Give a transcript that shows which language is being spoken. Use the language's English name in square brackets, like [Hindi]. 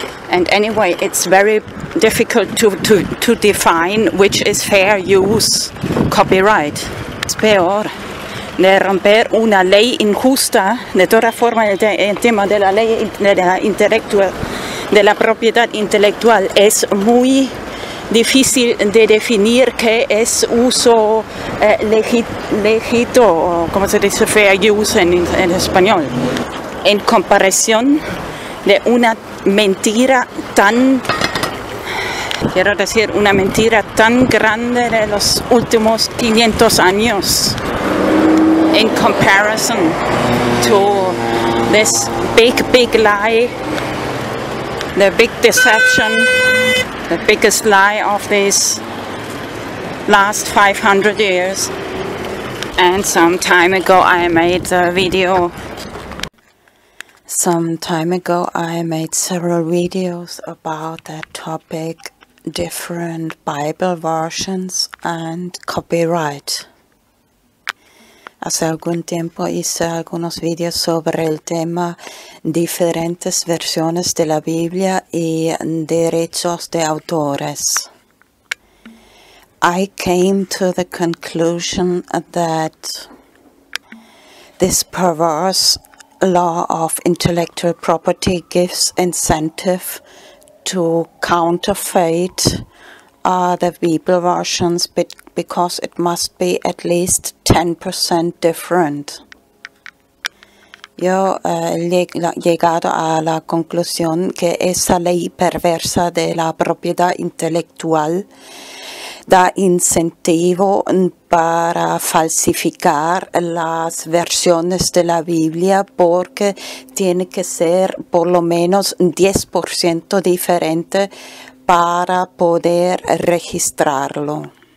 [English] And anyway, it's very difficult to define which is fair use copyright. [Spanish] Es peor de romper una ley injusta. De todas formas, el tema de la ley de la propiedad intelectual es muy difícil de definir qué es uso legítimo, como se dice, fair use en español, en comparación de una mentira tan, quiero decir, una mentira tan grande de los últimos 500 años. [English] In comparison to this big, big lie, the big deception, the biggest lie of these last 500 years. And some time ago I made a video. Some time ago I made several videos about that topic, different Bible versions and copyright. [Spanish] Hace algún tiempo hice algunos videos sobre el tema, diferentes versiones de la Biblia y derechos de autores. [English] I came to the conclusion that this perverse law of intellectual property gives incentive to counterfeit the Bible versions because it must be at least 10% different. [Spanish] Yo he llegado a la conclusión que esa ley perversa de la propiedad intelectual da incentivo para falsificar las versiones de la Biblia porque tiene que ser por lo menos 10% diferente para poder registrarlo.